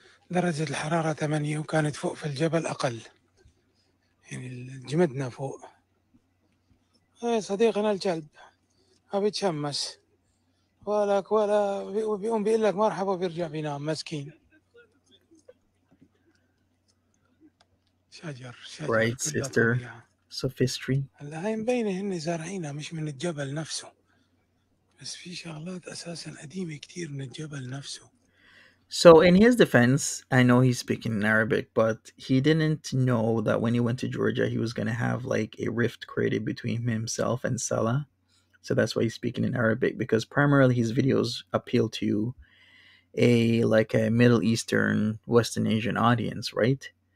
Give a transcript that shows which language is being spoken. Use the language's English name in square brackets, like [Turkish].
[Arabic] درجة الحرارة 8 وكانت فوق في الجبل أقل. يعني جمدنا فوق. إيه صديقنا الكلب. أبي تشمس ولك ولا بيقوم بيقول لك مرحبا بيرجع بينام مسكين. شجر شجر right sister sophistry. هلا هاي مبينة هن زرعينها مش من الجبل نفسه، بس في شغلات أساسا قديمة كتير من الجبل نفسه. [English] So in his defense, I know he's speaking in Arabic, but he didn't know that when he went to Georgia he was going to have like a rift created between himself and Salah. So that's why he's speaking in Arabic, because primarily his videos appeal to a Middle Eastern, Western Asian audience, right?